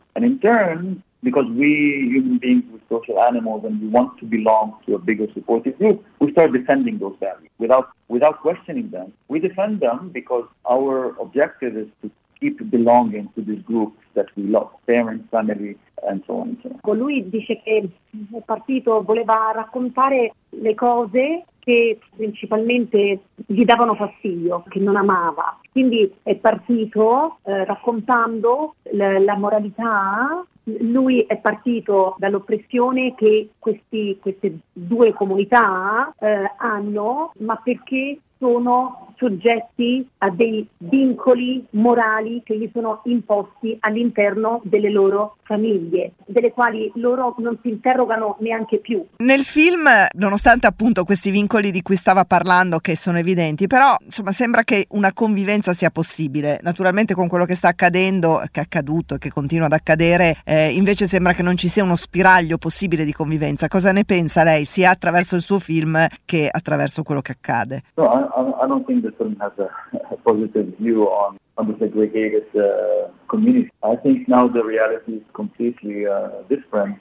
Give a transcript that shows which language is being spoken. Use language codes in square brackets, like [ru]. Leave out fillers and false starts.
[en] And in turn, because we human beings, we're social animals, and we want to belong to a bigger supportive group, we start defending those values without questioning them. We defend them because our objective is to keep belonging to this group that we love, parents, family, and so on. [it] Lui dice che il partito voleva raccontare le cose che principalmente gli davano fastidio, che non amava. Quindi è partito raccontando la moralità. Lui è partito dall'oppressione che queste due comunità hanno, ma perché sono soggetti a dei vincoli morali che gli sono imposti all'interno delle loro famiglie, delle quali loro non si interrogano neanche più. Nel film, nonostante appunto questi vincoli di cui stava parlando, che sono evidenti, però insomma sembra che una convivenza sia possibile. Naturalmente con quello che sta accadendo, che è accaduto e che continua ad accadere, invece sembra che non ci sia uno spiraglio possibile di convivenza. Cosa ne pensa lei, sia attraverso il suo film che attraverso quello che accade? [en] No, I don't think the film has a positive view on the segregated community. I think now the reality is completely different.